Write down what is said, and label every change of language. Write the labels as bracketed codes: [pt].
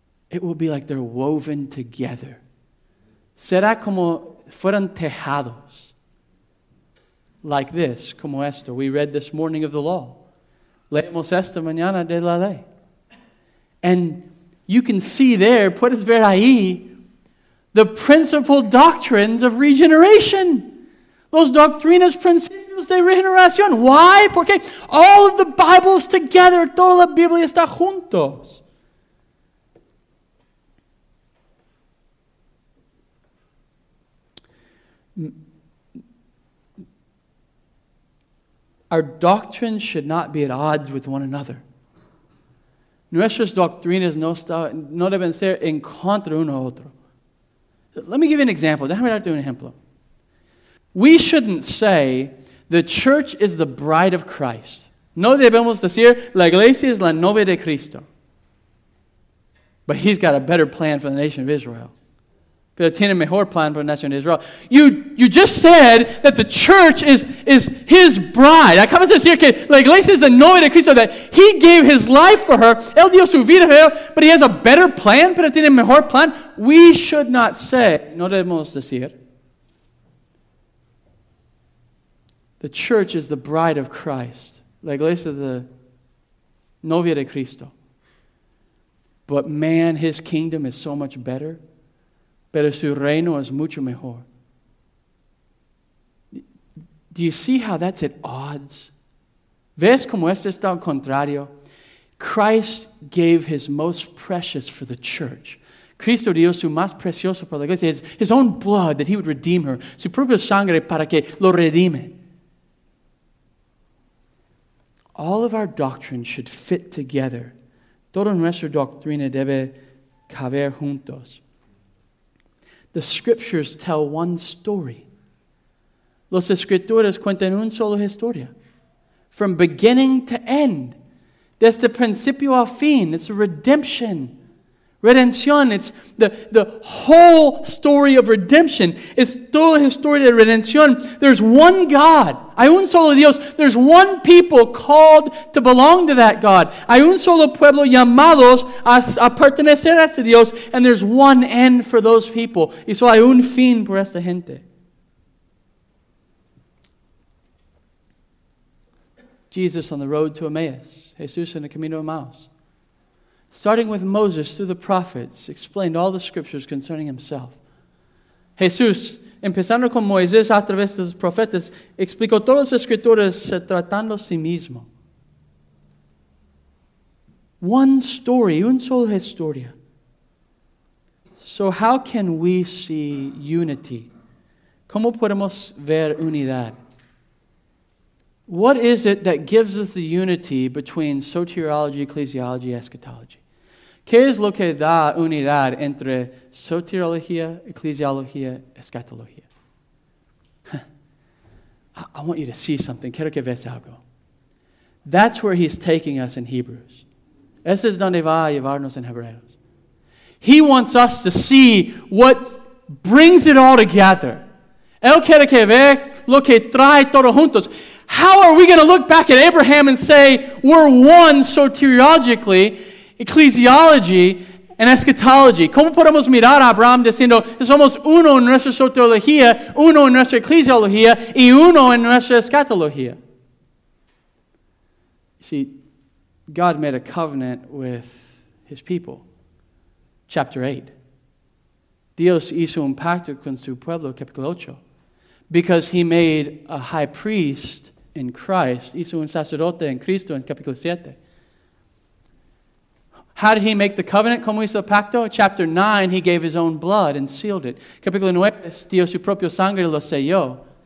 [en] It will be like they're woven together. [es] Será como fueron tejados. [en] Like this, [es] como esto. [en] We read this morning of the law. [es] Leemos esta mañana de la ley. [en] And you can see there, [es] puedes ver ahí, [en] the principal doctrines of regeneration. [es] Los doctrinas principios de regeneración. [en] Why? [es] Porque [en] all of the Bibles together, [es] toda la Biblia está juntos. [en] Our doctrines should not be at odds with one another. [es] Nuestras doctrinas no deben ser en contra uno otro. [en] Let me give you an example. [es] Déjame darte un ejemplo. [en] We shouldn't say the church is the bride of Christ. [es] No debemos decir la iglesia es la novia de Cristo. [en] But he's got a better plan for the nation of Israel. [es] Pero tiene mejor plan para la nación de Israel. [en] You just said that the church is his bride. [es] Acabas de decir que la iglesia es la novia de Cristo, [en] that he gave his life for her. [es] Él dio su vida [en] for her, but he has a better plan. [es] Pero tiene mejor plan. [en] We should not say, [es] no debemos decir, [en] the church is the bride of Christ. [es] La iglesia es la novia de Cristo. [en] But man, his kingdom is so much better. [es] Pero su reino es mucho mejor. [en] Do you see how that's at odds? [es] ¿Ves cómo esto está al contrario? [en] Christ gave his most precious for the church. [es] Cristo dio su más precioso para la iglesia. [en] His own blood that he would redeem her. [es] Su propia sangre para que lo redime. [en] All of our doctrine should fit together. [es] Toda nuestra doctrina debe caber juntos. [en] The scriptures tell one story. [es] Los escrituras cuentan un solo historia. [en] From beginning to end. [es] Desde principio a fin. [en] It's a redemption. [es] Redención. [en] It's the whole story of redemption. [es] It's toda la historia de redención. [en] There's one God. [es] Hay un solo Dios. [en] There's one people called to belong to that God. [es] Hay un solo pueblo llamados a pertenecer a este Dios. [en] And there's one end for those people. [es] Y solo hay un fin por esta gente. [en] Jesus on the road to Emmaus. [es] Jesús en el camino de Emmaus. [en] starting with Moses through the prophets, explained all the scriptures concerning himself. [es] Jesús, empezando con Moisés a través de los profetas, explicó todas las escrituras tratando a sí mismo. [en] One story, [es] un solo historia. [en] So how can we see unity? [es] ¿Cómo podemos ver unidad? [en] What is it that gives us the unity between soteriology, ecclesiology, eschatology? [es] ¿Qué es lo que da unidad entre soteriología, ecclesiología, eschatología? [en] I want you to see something. [es] Quiero que veas algo. [en] That's where he's taking us in Hebrews. [es] Ese es donde va a llevarnos en Hebreos. [en] He wants us to see what brings it all together. [es] Él quiere que ve lo que trae todo juntos. [en] How are we going to look back at Abraham and say we're one soteriologically, ecclesiology, and eschatology? [es] ¿Cómo podemos mirar a Abraham diciendo somos uno en nuestra soteriología, uno en nuestra ecclesiología, y uno en nuestra eschatología? [en] See, God made a covenant with his people. Chapter 8. [es] Dios hizo un pacto con su pueblo, capítulo 8. [en] Because he made a high priest in Christ. [es] Hizo un sacerdote en Cristo en capítulo 7. [en] How did he make the covenant? [es] ¿Cómo hizo el pacto? [en] Chapter 9, he gave his own blood and sealed it. [es] Capítulo 9, dio su propio sangre y lo selló.